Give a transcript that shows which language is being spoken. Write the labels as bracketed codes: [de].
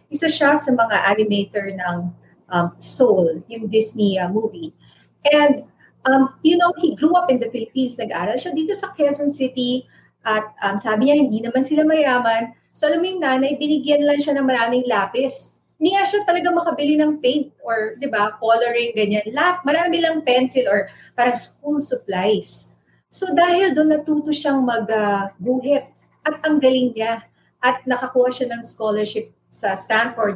[tl] Isa siya sa mga animator ng Soul, yung Disney movie. [en] And, you know, he grew up in the Philippines. [tl] Nag-aral siya dito sa Quezon City. At sabi niya, hindi naman sila mayaman. So alam mo yung nanay, binigyan lang siya ng maraming lapis. Hindi nga siya talaga makabili ng paint or, di ba, coloring, ganyan. Marami lang pencil or parang school supplies. So dahil doon natuto siyang mag-buhit at ang galing niya at nakakuha siya ng scholarship sa Stanford.